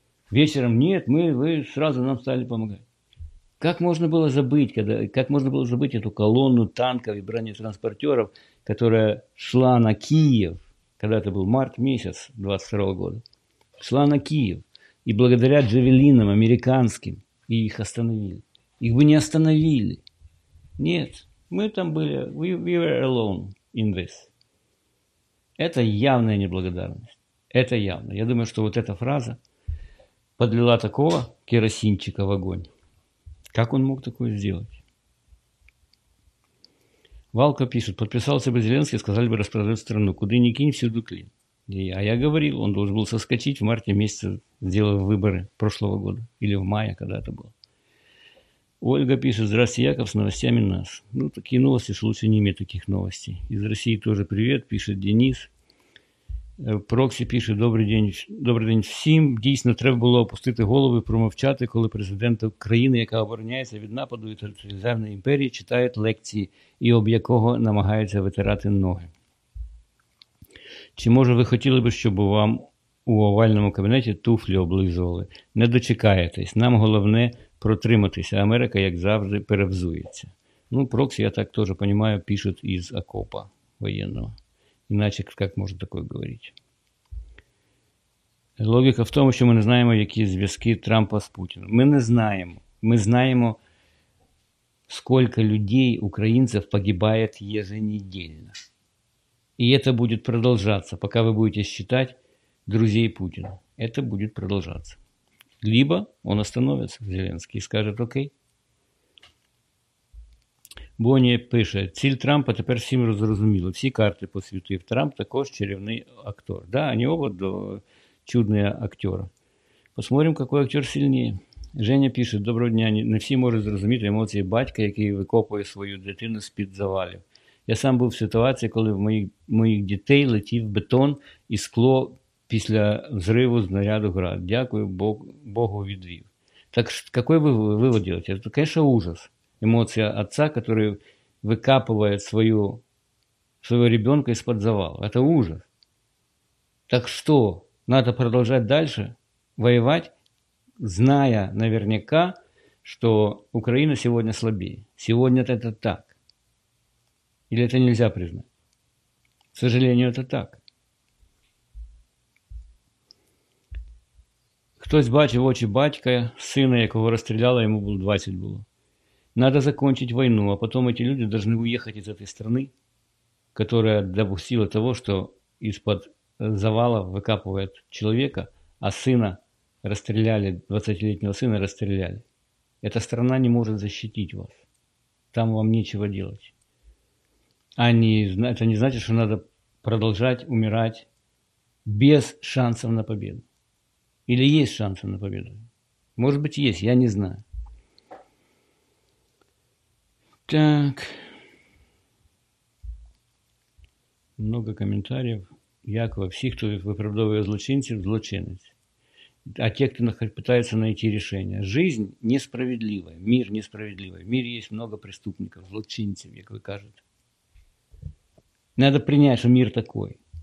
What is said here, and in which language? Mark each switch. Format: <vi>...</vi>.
<ru>Вечером нет, вы сразу нам стали помогать. Как можно было забыть, эту колонну танков и бронетранспортеров, которая шла на Киев? Когда это был март месяц 22 года, шла на Киев, и благодаря джавелинам американским и их остановили. Их бы не остановили. Нет, мы там были,</ru> <en>we were alone in this.</en> <ru>Это явная неблагодарность. Это явно. Я думаю, что вот эта фраза подлила такого керосинчика в огонь. Как он мог такое сделать? Валка пишет, подписался бы Зеленский, сказали бы распродать страну. Куда ни кинь, всюду клин. А я говорил, он должен был соскочить в марте месяце, сделав выборы прошлого года. Или в мае, когда это было. Ольга пишет, здравствуйте, Яков, с новостями нас. Ну, такие новости, лучше не иметь таких новостей. Из России тоже привет, пишет Денис. Прокси пишет, добрый день</ru> <uk>всім. Дійсно, треба було опустити голови, промовчати, коли президент країни, яка обороняється від нападу і територіальної імперії, читає лекції, і об якого намагається витирати ноги. Чи, може, ви хотіли би, щоб вам у овальному кабінеті туфлі облизували? Не дочекаєтесь. Нам головне протриматися. Америка, як завжди, перевзується. Ну, Прокси, я так теж розумію, пишуть із окопа воєнного.</uk> <ru>Иначе как можно такое говорить? Логика в том, что мы не знаем, какие связки Трампа с Путиным. Мы не знаем. Мы знаем, сколько людей, украинцев, погибает еженедельно. И это будет продолжаться, пока вы будете считать друзей Путина. Это будет продолжаться. Либо он остановится, Зеленский, и скажет «Окей».</ru> <uk>Бонні пише, ціль Трампа тепер всім зрозуміло. Всі карти посвятив. Трамп також чарівний актор. Да, вони оба чудні актери. Посмотрим, який актер сильніший. Женя пише, доброго дня, не всі можуть зрозуміти емоції батька, який викопує свою дитину з-під завалів. Я сам був в ситуації, коли в моїх дітей летів бетон і скло після взриву знаряду град. Дякую Богу відвів. Так який ви вивод робите? Це, звісно, ужас.</uk> <ru>Эмоция отца, который выкапывает своего ребенка из-под завала. Это ужас. Так что, надо продолжать дальше воевать, зная наверняка, что Украина сегодня слабее. Сегодня это так. Или это нельзя признать? К сожалению, это так.</ru> <uk>Хтось бачив очі батька, сина, якого розстріляла, йому було 20 було.</uk> <ru>Надо закончить войну, а потом эти люди должны уехать из этой страны, которая допустила того, что из-под завала выкапывает человека, а сына расстреляли, 20-летнего сына расстреляли. Эта страна не может защитить вас. Там вам нечего делать. Они, это не значит, что надо продолжать умирать без шансов на победу. Или есть шансы на победу? Может быть, есть, я не знаю. Так, много комментариев.</ru> <uk>Якова, всі, хто виправдовує злочинців, злочинець. А ті, хто намагається знайти рішення. Життя несправедлива, мир несправедливий. В мірі є багато преступників, злочинців, як ви кажете. Треба прийняти, що мир такий.</uk>